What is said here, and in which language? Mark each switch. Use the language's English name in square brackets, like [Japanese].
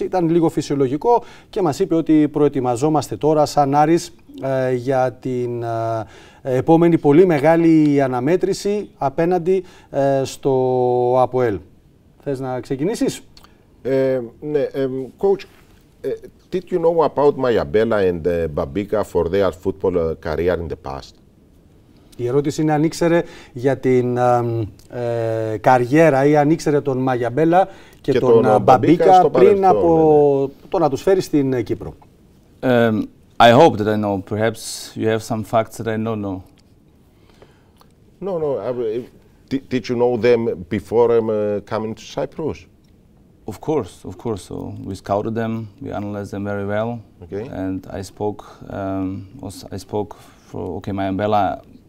[Greek] Ήταν λίγο φυσιολογικό και μας είπε ότι προετοιμαζόμαστε τώρα σαν Άρης για την επόμενη πολύ μεγάλη αναμέτρηση απέναντι στο ΑΠΟΕΛ. Θες να ξεκινήσεις? Ναι, [English] coach, did you know about Mayabella and Babika for their football career in the past? [Greek] Η ερώτηση είναι αν ήξερε για την καριέρα ή αν ήξερε τον Mayabella και τον Babika πριν από το να τους φέρει στην Κύπρο. [English] I hope that I know. Perhaps you have some facts that I don't know. No. Did you know them before coming to Cyprus? Of course. So we scouted them. We analyzed them very well. Okay. And I spoke. Mayabella.